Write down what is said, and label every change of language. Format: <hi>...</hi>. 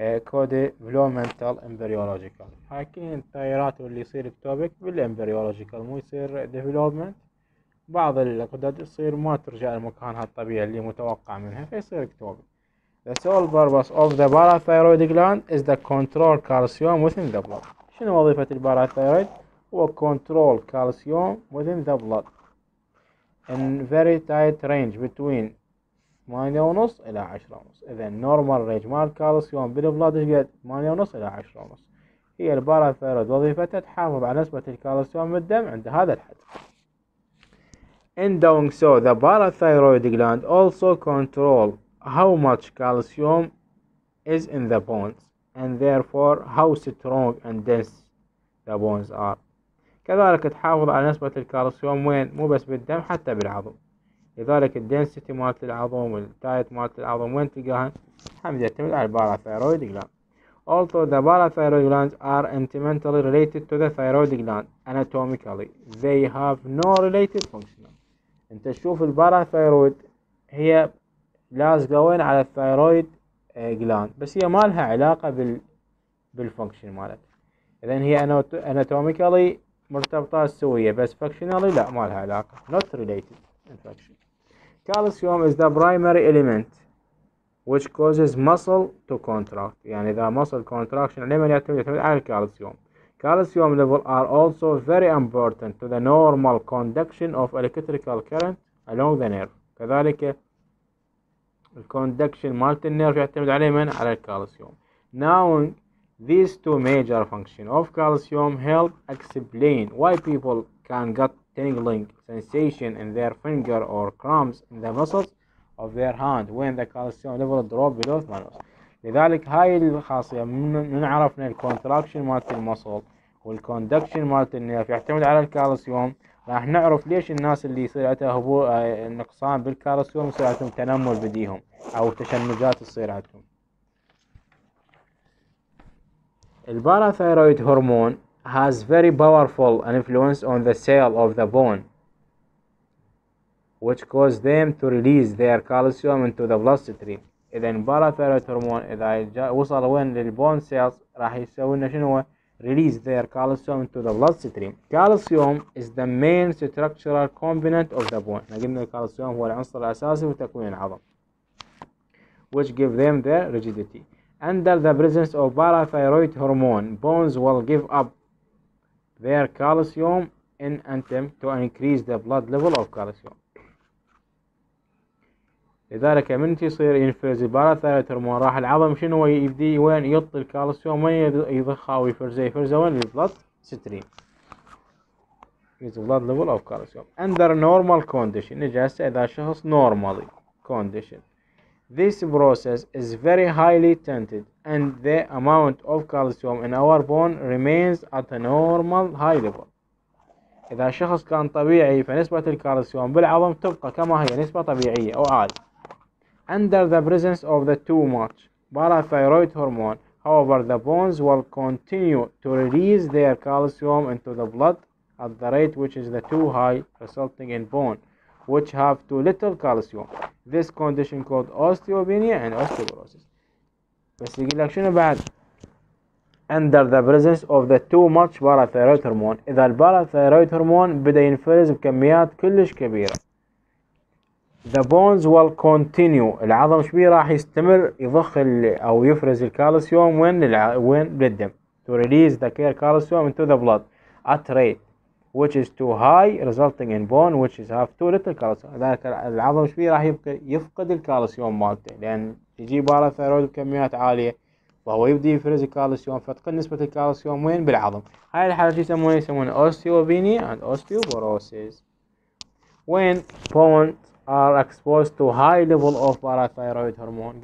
<ar>كودي فلومنتال امبريولوجيكال هاي كل التغيرات اللي يصير اكتوبك بالامبريولوجيكال مو يصير ديفلوبمنت بعض الاغدد يصير ما ترجع لمكانها الطبيعي اللي متوقع منها فيصير اكتوبك</ar> <en>The sole purpose of the parathyroid gland is the control calcium within the blood</en> <ar>شنو وظيفة الباراثيرويد هو</ar> <en>control calcium within the blood in very tight range between</en> <ar>8.5 إلى 10.5 إذا normal range مال الكالسيوم بالبلاد ايش قد 8.5 إلى 10.5 هي الباراثيرويد وظيفتها تحافظ على نسبة الكالسيوم بالدم عند هذا الحد.</ar> <en>In doing so the parathyroid gland also control how much calcium is in the bones and therefore how strong and dense the bones are.</en> <ar>كذلك تحافظ على نسبة الكالسيوم وين مو بس بالدم حتى بالعظم. لذلك الدنسيتي مالت العظم والتايت مالت العظم وين تلقاها؟ هم يعتمد على الباراثيرويد جلاند.</ar> <en>Although the parathyroid glands are intimately related to the thyroid gland anatomically, they have no related functional.</en> <ar>انت تشوف الباراثيرويد هي لازقة وين على الثايرويد جلاند بس هي ما لها علاقة بالفانكشن مالت. اذا هي anatomically مرتبطة سوية بس فانكشنالي لا ما لها علاقة.</ar> <en>Not related. Calcium is the primary element which causes muscle to contract.</en> <ar>يعني إذا muscle contraction عليه من يعتمد على الكالسيوم.</ar> <en>Calcium level are also very important to the normal conduction of electrical current along the nerve.</en> <ar>كذلك ال conduction مال النيرف يعتمد عليه من على الكالسيوم.</ar> <en>Now these two major function of calcium help explain why people can get tingling sensation in their finger or cramps in the muscles of their hand when the calcium level drop below 8.</en> <ar>لذلك هاي الخاصية من عرفنا الكونتراكشن مالت المصل والكوندكشن مالت النيرف يعتمد على الكالسيوم راح نعرف ليش الناس اللي يصير عندها هبوط نقصان بالكالسيوم يصير عندهم تنمل بديهم او تشنجات تصير عندهم.</ar> <en>الباراثيرويد hormone has very powerful influence on the cell of the bone which cause them to release their calcium into the bloodstream.</en> <ar>إذا الباراثيرويد هرمون إذا وصل وين للبون سيلز راح يسوي لنا شنو هو</ar> <en>release their calcium into the bloodstream. Calcium is the main structural component of the bone.</en> <ar>نقول الكالسيوم هو العنصر الأساسي في تكوين العظم</ar> <en>which give them their rigidity. Under the presence of parathyroid hormone bones will give up their calcium in an attempt to increase the blood level of calcium.</en> <ar>لذلك من تصير ينفرز الباراثيرويد هرمون راح العظم شنو يبدي وين يط الكالسيوم وين يضخه ويفرزه يفرزه وين البلد ستريم</ar> <en>يز بلد ليفل اوف كالسيوم. اندر نورمال كونديشن</en> <ar>نجاس اذا شخص</ar> <en>Normally condition this process is very highly tented and the amount of calcium in our bone remains at a normal high level.</en> <ar>اذا شخص كان طبيعي فنسبة الكالسيوم بالعظم تبقى كما هي نسبة طبيعية او عادي.</ar> <en>Under the presence of the too much parathyroid hormone, however, the bones will continue to release their calcium into the blood at the rate which is the too high, resulting in bone which have too little calcium. This condition called osteopenia and osteoporosis.</en> <ar>بس يقول لك شنو بعد؟</ar> <en>Under the presence of the too much parathyroid hormone,</en> <ar>إذا الparathyroid hormone بدأ ينفرز بكميات كلش كبيرة.</ar> <en>The bones will continue.</en> <ar>العظم شبيه راح يستمر يضخ أو يفرز الكالسيوم وين وين بالدم.</ar> <en>To release the care calcium into the blood at rate which is too high, resulting in bone which is have too little calcium.</en> <ar>لذلك العظم شبيه راح يبقى يفقد الكالسيوم مالته لأن يجي باراثيرويد بكميات عالية فهو يبدي يفرز الكالسيوم فتقل نسبة الكالسيوم وين بالعظم. هاي الحالة يسمونها</ar> <en>osteopenia and osteoporosis when bone are exposed to high level of parathyroid hormone.</en>